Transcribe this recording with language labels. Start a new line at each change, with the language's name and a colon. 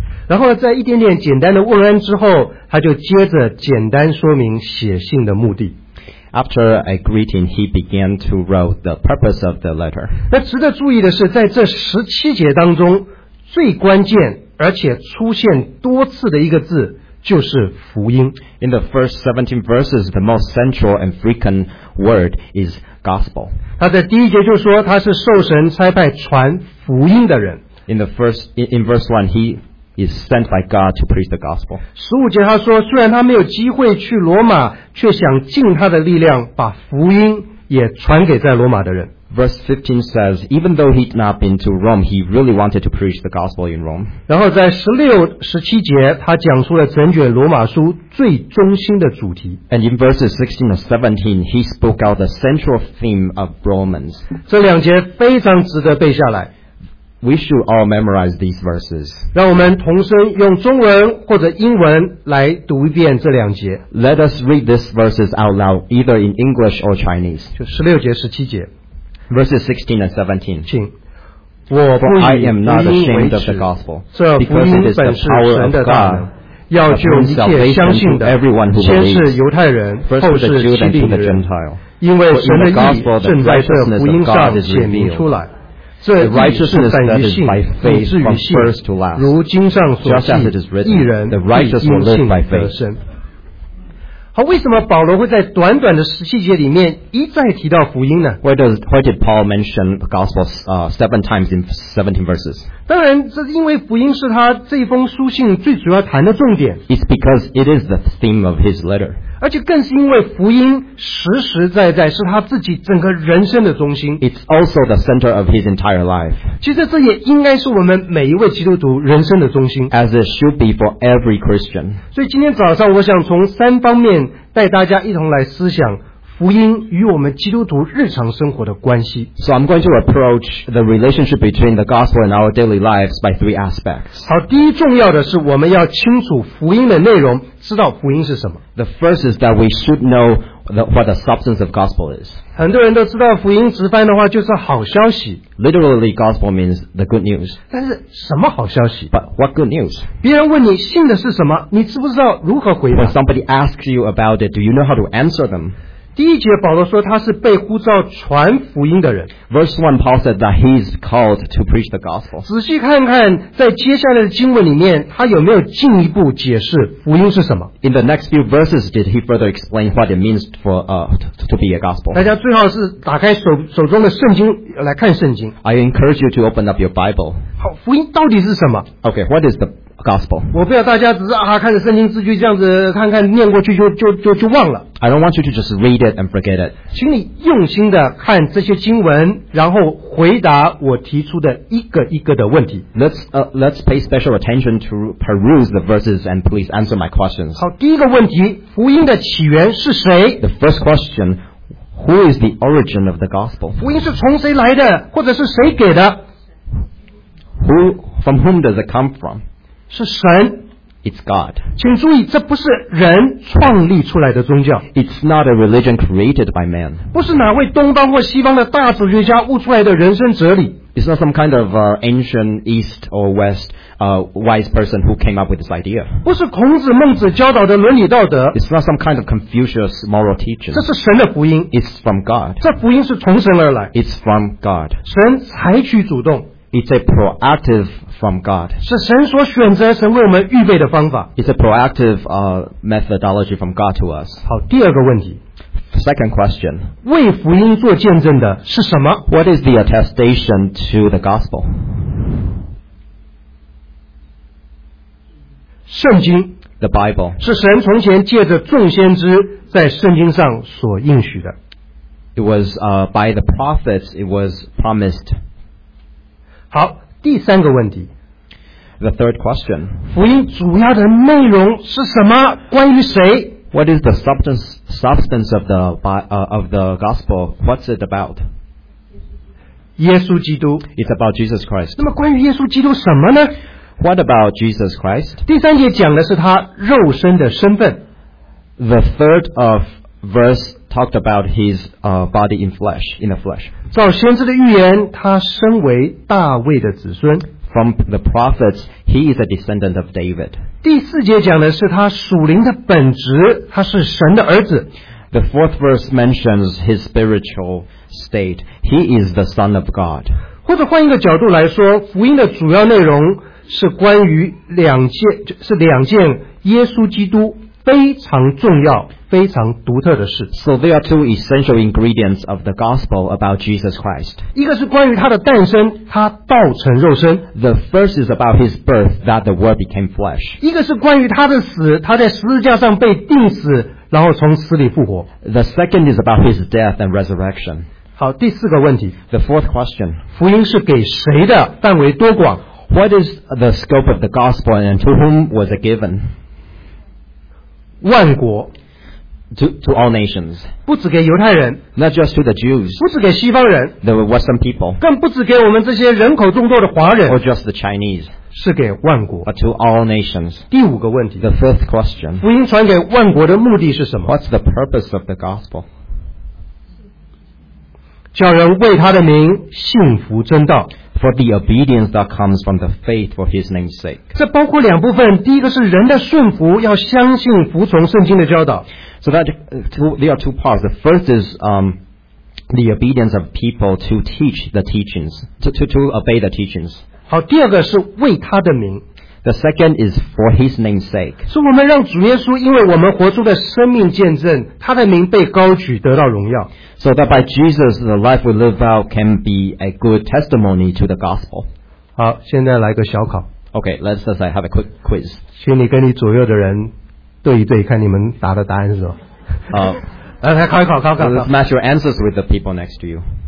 Chinese: 然后在一点点简单的问安之后，他就接着简单说明写信的目的。
English: After a greeting, he began to write the purpose of the letter.
Chinese: 那值得注意的是，在这十七节当中，最关键而且出现多次的一个字就是福音。
English: In the first 17 verses, the most central and frequent word is. Gospel.
Chinese: 他在第一节就说他是受神差派传福音的人。
English: In verse 1, he is sent by God to preach the gospel.
Chinese: 十五节他说，虽然他没有机会去罗马，却想尽他的力量把福音也传给在罗马的人。
English: Verse 15 says, even though he'd not been to Rome, he really wanted to preach the gospel in Rome.
Chinese: 然后在16、17节他讲出了整卷罗马书最中心的主题。
English: And in verses 16 and 17, he spoke out the central theme of Romans.
Chinese: 这两节非常值得背下来。
English: We should all memorize these verses.
Chinese: 让我们同声用中文或者英文来读一遍这两节。
English: Let us read these verses out loud, either in English or Chinese.
Chinese: 就16节、17节。
English: Verses 16 and 17.
Chinese: 请我不以福音为耻，这福音本是神的大能，这福音本是神的大能，要救一切相信的，先是犹太人，后是希利人，因为神的义正在这福音上显明出来，这义是在于信，乃至于信，如经上所记，义人必因信得生。好，为什么保罗会在短短的十七节里面一再提到福音呢？
English: Why did Paul mention the gospel seven times in 17 verses?
Chinese: 当然，这是因为福音是他这封书信最主要谈的重点。
English: It's because it is the theme of his letter.
Chinese: 而且更是因为福音实实在在是他自己整个人生的中心。
English: It's also the center of his entire life.
Chinese: 其实这也应该是我们每一位基督徒人生的中心。
English: As it should be for every Christian.
Chinese: 所以今天早上我想从三方面带大家一同来思想福音与我们基督徒日常生活的关系。
English: So I'm going to approach the relationship between the gospel and our daily lives by three aspects.
Chinese: 好，第一重要的是我们要清楚福音的内容，知道福音是什么。
English: The first is that we should know what the substance of gospel is.
Chinese: 很多人都知道福音直翻的话就是好消息。
English: Literally, gospel means the good news.
Chinese: 但是什么好消息？
English: But what good news?
Chinese: 别人问你信的是什么，你知不知道如何回答？
English: When somebody asks you about it, do you know how to answer them?
Chinese: 第一节保罗说他是被呼召传福音的人。
English: Verse 1 Paul said that he is called to preach the gospel.
Chinese: 仔细看看在接下来的经文里面他有没有进一步解释福音是什么。
English: In the next few verses, did he further explain what it means for, to be a gospel?
Chinese: 大家最好是打开 手中的圣经来看圣经。
English: I encourage you to open up your Bible.
Chinese: 好，福音到底是什么？
English: Okay, what is the gospel.
Chinese: 我不要大家只是啊看着圣经字句这样子看看念过去就忘了。
English: I don't want you to just read it and forget it.
Chinese: 请你用心的看这些经文，然后回答我提出的一个一个的问题。
English: Let's pay special attention to peruse the verses and please answer my questions.
Chinese: 好，第一个问题，福音的起源是谁
English: ？The first question. Who is the origin of the gospel?
Chinese: 福音是从谁来的，或者是谁给的？
English: From whom does it come from?
Chinese: 是神。
English: It's God.
Chinese: 请注意，这不是人创立出来的宗教。
English: It's not a religion created by man.
Chinese: 不是哪位东方或西方的大哲学家悟出来的人生哲理。
English: It's not some kind of ancient East or West wise person who came up with this idea.
Chinese: 不是孔子孟子教导的伦理道德。
English: It's not some kind of Confucius moral teaching.
Chinese: 这是神的福音。
English: It's from God.
Chinese: 这福音是从神而来。
English: It's from God.
Chinese: 神采取主动。
English: It's a proactive from God.
Chinese: 是神所选择，神为我们预备的方法。
English: It's a proactive methodology from God to us.
Chinese: 好，第二个问题。
English: Second question.
Chinese: 为福音做见证的是什么？
English: What is the attestation to the gospel?
Chinese: 圣经。
English: The Bible.
Chinese: 是神从前借着众先知在圣经上所应许的。
English: It was by the prophets. It was promised.
Chinese: 好，第三个问题。
English: The third question.
Chinese: 福音主要的内容是什么？关于谁？
English: What is the substance of the gospel? What's it about?
Chinese: 耶稣基督。
English: It's about Jesus Christ.
Chinese: 那么关于耶稣基督什么呢？
English: What about Jesus Christ?
Chinese: 第三节讲的是他肉身的身份。
English: The third of verse talked about his body in flesh, in the flesh.
Chinese: 照先知的预言，他身为大卫的子孙。
English: From the prophets, he is a descendant of David.
Chinese: 第四节讲的是他属灵的本质，他是神的儿子。
English: The fourth verse mentions his spiritual state. He is the son of God.
Chinese: 或者换一个角度来说，福音的主要内容是关于两件耶稣基督非常重要非常独特的事。
English: So there are two essential ingredients of the gospel about Jesus Christ.
Chinese: 一个是关于他的诞生，他道成肉身。
English: The first is about his birth, that the word became flesh.
Chinese: 一个是关于他的死，他在十字架上被钉死，然后从死里复活。
English: The second is about his death and resurrection.
Chinese: 好，第四个问题。
English: The fourth question.
Chinese: 福音是给谁的，范围多广？
English: What is the scope of the gospel and to whom was it given?
Chinese: 万国
English: to all nations,
Chinese: 不只给犹太人
English: not just to the Jews,
Chinese: 不只给西方人
English: the Western people,
Chinese: 更不只给我们这些人口众多的华人
English: or just the Chinese,
Chinese: 是给万国
English: but to all nations.
Chinese: 第五个问题
English: the fifth question,
Chinese: 福音传给万国的目的是什么
English: what's the purpose of the gospel?
Chinese: 叫人为他的名信服真道
English: for the obedience that comes from the faith for his name's sake.
Chinese: 这包括两部分，第一个是人的顺服，要相信服从圣经的教导。
English: So that there are two parts. The first is the obedience of people to teach the teachings, to obey the teachings.
Chinese: 好，第二个是为他的名。
English: The second is for his name's sake.
Chinese: 是我们让主耶稣因为我们活出的生命见证，他的名被高举，得到荣耀。
English: So that by Jesus, the life we live out can be a good testimony to the gospel.
Chinese: 好，现在来个小考。
English: Okay, let's just have a quick quiz.
Chinese: 请你跟你左右的人对一对，看你们答的答案是什么。来来考一考，考考。
English: Let's match your answers with the people next to you.